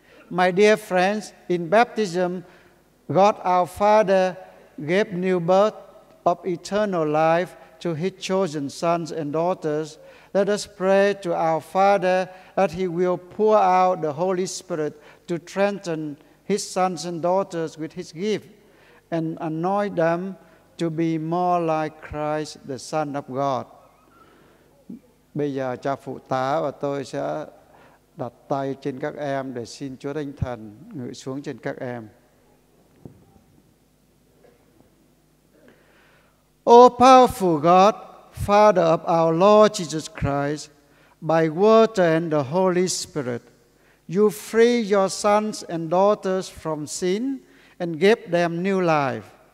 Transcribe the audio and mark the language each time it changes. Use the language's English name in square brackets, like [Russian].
[English] My dear friends, in baptism, God our Father gave new birth of eternal life to his chosen sons and daughters. Let us pray to our Father that he will pour out the Holy Spirit to strengthen his sons and daughters with his gift, and anoint them to be more like Christ, the Son of God. [Vietnamese] Bây giờ cha phụ tá và tôi sẽ đặt tay trên các em để xin Chúa Thánh Thần ngự xuống trên các em. [English] O powerful God, Father of our Lord Jesus Christ, by water and the Holy Spirit, you free your sons and daughters from sin and give them new life.